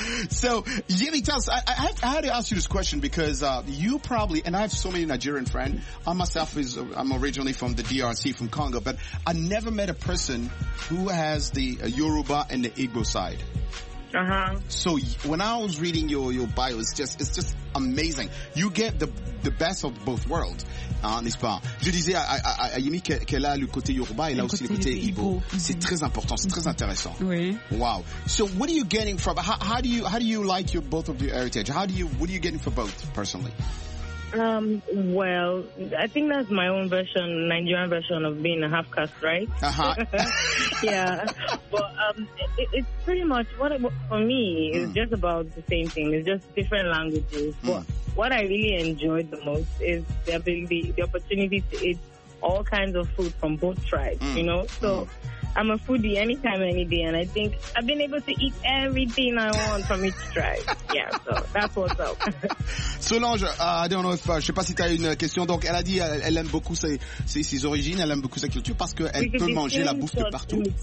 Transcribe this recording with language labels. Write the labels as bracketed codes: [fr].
[en] So, Yemi, tell us, I had to ask you this question because you probably, and I have so many Nigerian friends, I'm originally from the DRC, from Congo, but I never met a person who has the Yoruba and the Igbo side. So when I was reading your bio, it's just amazing. You get the best of both worlds, [fr] n'est-ce pas? Je disais à Yemi qu'elle a le côté Yoruba et là aussi le côté Igbo. C'est très important, c'est très intéressant. Oui. [en] Wow. So what are you getting from? How do you like your both of your heritage? What are you getting for both personally? Well, I think that's my own version, Nigerian version of being a half caste, right? Yeah. But it's pretty much it's just about the same thing. It's just different languages. But what I really enjoyed the most is the ability, the opportunity to eat all kinds of food from both tribes, So I'm a foodie anytime, any day, and I think I've been able to eat everything I want from each tribe. Yeah, so that's what's up. [fr] Solange, je sais pas si tu as une question. Donc, elle a dit elle aime beaucoup ses origines, elle aime beaucoup sa culture parce qu'elle peut manger la bouffe de partout.